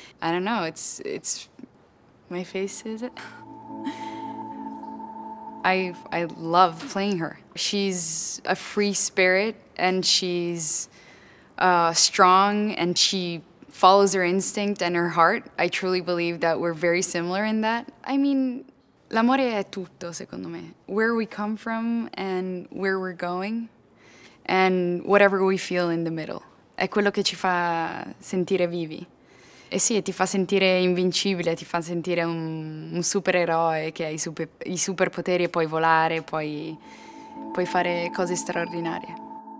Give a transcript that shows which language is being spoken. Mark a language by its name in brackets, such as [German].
[English] I don't know, it's my face, is it? I love playing her. She's a free spirit, and she's strong, and she follows her instinct and her heart. I truly believe that we're very similar in that. I mean, [Italian] l'amore è tutto, secondo me. [English] Where we come from and where we're going, and whatever we feel in the middle. [Italian] È quello che ci fa sentire vivi. E sì, ti fa sentire invincibile, ti fa sentire un supereroe che ha i superpoteri e puoi volare, puoi fare cose straordinarie.